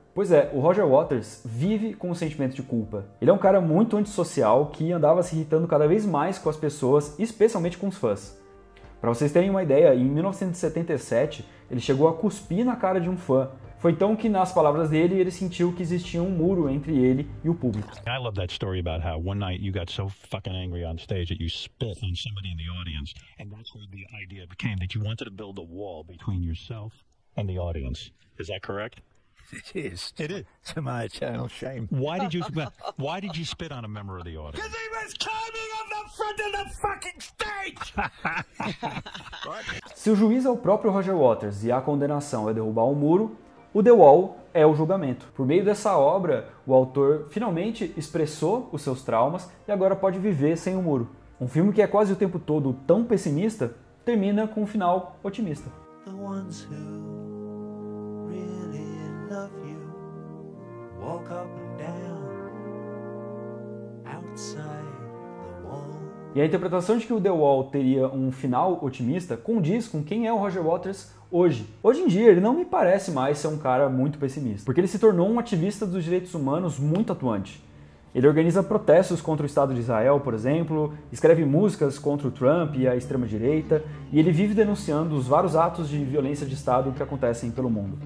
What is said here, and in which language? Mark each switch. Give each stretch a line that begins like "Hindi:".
Portuguese: Pois é, o Roger Waters vive com um sentimento de culpa. Ele é um cara muito antissocial que andava se irritando cada vez mais com as pessoas, especialmente com os fãs. Pra vocês terem uma ideia, em 1977 ele chegou a cuspir na cara de um fã. Foi então que, nas palavras dele, ele sentiu que existia um muro entre ele e o público.
English: I love that story about how one night you got so fucking angry on stage that you spit on somebody in the audience, and that's where the idea became that you wanted to build a wall between yourself and the audience. Is that correct? It is. It is. To my eternal shame. Why did you spit on a member of the audience? Because he was climbing on the front of the fucking stage.
Portuguese: Se o juiz é o próprio Roger Waters e a condenação é derrubar um muro, o The Wall é o julgamento. Por meio dessa obra, o autor finalmente expressou os seus traumas e agora pode viver sem o muro. Um filme que é quase o tempo todo tão pessimista, termina com um final otimista.
English: The ones who really love you walk up and down outside the wall.
Portuguese: E a interpretação de que o The Wall teria um final otimista condiz com quem é o Roger Waters hoje. Hoje em dia, ele não me parece mais ser um cara muito pessimista, porque ele se tornou um ativista dos direitos humanos muito atuante. Ele organiza protestos contra o Estado de Israel, por exemplo, escreve músicas contra o Trump e a extrema-direita, e ele vive denunciando os vários atos de violência de Estado que acontecem pelo mundo.